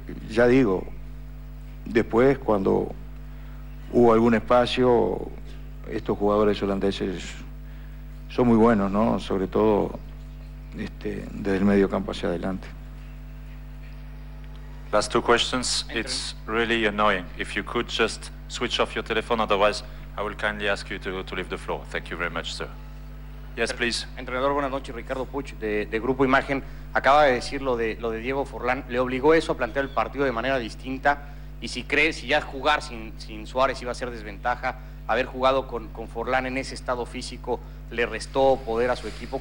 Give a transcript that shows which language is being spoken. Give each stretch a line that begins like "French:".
Spanish: Ya digo, después cuando hubo algún espacio, estos jugadores holandeses son muy buenos, ¿no? Sobre todo desde el medio campo hacia adelante.
English: Last two questions. It's really annoying. If you could just switch off your telephone, otherwise I will kindly ask you to leave the floor. Thank you very much, sir. Yes, please.
Spanish: Entrenador, buenas noches. Ricardo Puch, de Grupo Imagen. Acaba de decir lo de Diego Forlán. ¿Le obligó eso a plantear el partido de manera distinta? Y si cree, si ya jugar sin Suárez iba a ser desventaja, haber jugado con Forlán en ese estado físico, ¿le restó poder a su equipo?